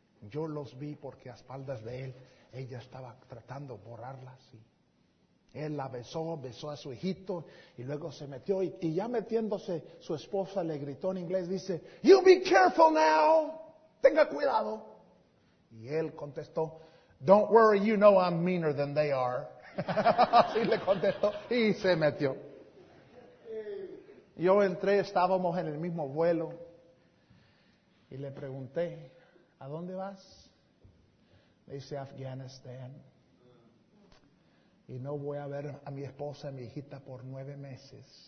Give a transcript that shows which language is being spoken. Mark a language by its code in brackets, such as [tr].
[es] Yo los vi porque a espaldas de él ella estaba tratando de borrarlas, y él la besó a su hijito y luego se metió, y ya metiéndose su esposa le gritó en inglés, dice, [en] "You be careful now." [es] Tenga cuidado. Y él contestó, [en] "Don't worry, you know I'm meaner than they are." [es] Así le contestó y se metió. Yo entré, estábamos en el mismo vuelo, y le pregunté, "¿A dónde vas?" Le dice, "Afghanistan." Y no voy a ver a mi esposa y mi hijita por 9 meses.